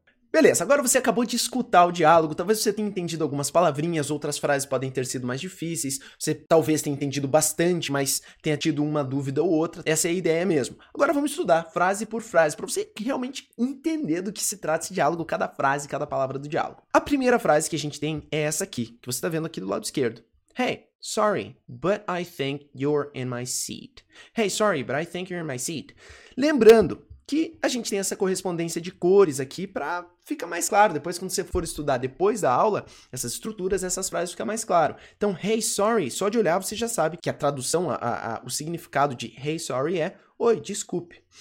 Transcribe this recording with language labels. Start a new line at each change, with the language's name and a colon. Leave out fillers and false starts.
Portuguese: Beleza, agora você acabou de escutar o diálogo, talvez você tenha entendido algumas palavrinhas, outras frases podem ter sido mais difíceis, você talvez tenha entendido bastante, mas tenha tido uma dúvida ou outra, essa é a ideia mesmo. Agora vamos estudar frase por frase, para você realmente entender do que se trata esse diálogo, cada frase, cada palavra do diálogo. A primeira frase que a gente tem é essa aqui, que você está vendo aqui do lado esquerdo.
English: Hey, sorry, but I think you're in my seat. Hey, sorry, but I think you're in my seat.
Portuguese: Lembrando que a gente tem essa correspondência de cores aqui para ficar mais claro. Depois, quando você for estudar depois da aula, essas estruturas, essas frases ficam mais claro. Então,
English: hey, sorry,
Portuguese: só de olhar você já sabe que a tradução, o significado de hey, sorry é oi, desculpe.